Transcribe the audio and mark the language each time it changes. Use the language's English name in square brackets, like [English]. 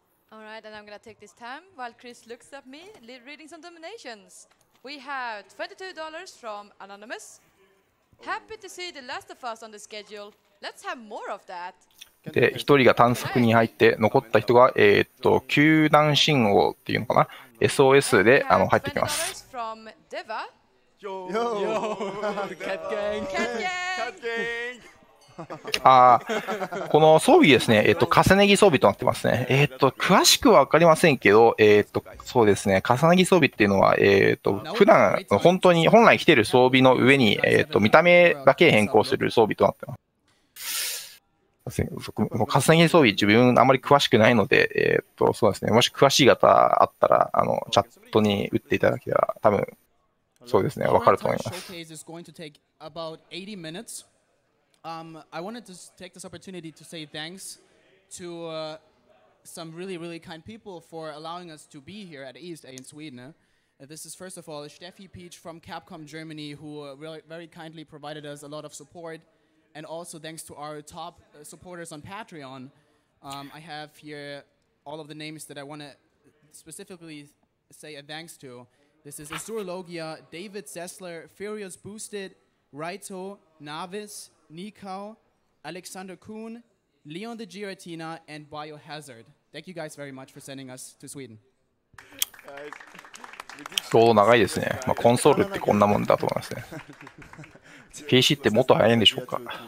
[English] And I'm gonna take this time while Chris looks at me, reading some donations. We have $22 from Anonymous. Happy to see the Last of Us on the schedule. Let's have more of that. [Japanese] で、一人が探索に入って、残った人が救難信号っていうのかな、SOS で入ってきます。 [English] From Deva. Yo. Yo. Yo. Cat gang. Cat gang. Cat gang. [Japanese] この装備ですね、重ね着装備となってますね。詳しくは分かりませんけど、そうですね、重ね着装備っていうのは、普段本当に本来着てる装備の上に、見た目だけ変更する装備となってます。重ね着装備自分あまり詳しくないので、そうですね、もし詳しい方あったらチャットに打っていただければ多分そうですね分かると思います。 [English] I wanted to take this opportunity to say thanks to some really, really kind people for allowing us to be here at East A in Sweden. This is first of all Steffi Peach from Capcom Germany, who really, very kindly provided us a lot of support. And also thanks to our top supporters on Patreon. I have here all of the names that I want to specifically say a thanks to. This is Azur Logia, David Sessler, Furious Boosted, Raito, Navis,Nikao, Alexander Kuhn, Leon the Giratina, and Biohazard. Thank you guys very much for sending us to Sweden. [Japanese] ちょうど長いですね。まあ、コンソールってこんなもんだと思いますね。PC ってもっと早いんでしょうか。